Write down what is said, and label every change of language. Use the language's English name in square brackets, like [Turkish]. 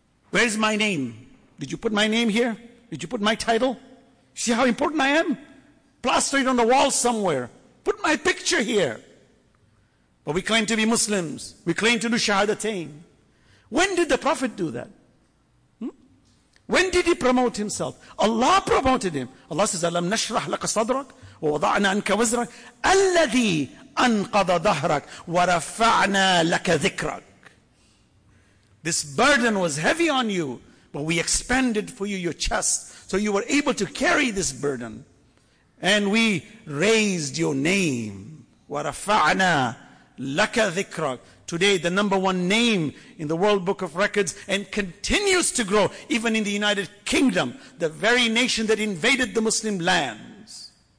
[English] Where's my name? Did you put my name here? Did you put my title? See how important I am? Plaster it on the wall somewhere. Put my picture here. But we claim to be Muslims. We claim to do Shahadatain. When did the Prophet do that? When did he promote himself? Allah promoted him. [Arabic] Allah says, أَلَمْ نَشْرَحْ لَكَ صَدْرَكَ وَوَضَعْنَا أَنْكَ وَزْرَكَ الَّذِي أَنْقَضَ ظَهْرَكَ وَرَفَعْنَا لَكَ ذِكْرَكَ. [English] This burden was heavy on you, but we expanded for you your chest so you were able to carry this burden. And we raised your name. [Arabic] وَرَفَعْنَا لَكَ ذِكْرَكَ. [English] Today, the number one name in the World Book of Records and continues to grow even in the United Kingdom, the very nation that invaded the Muslim lands,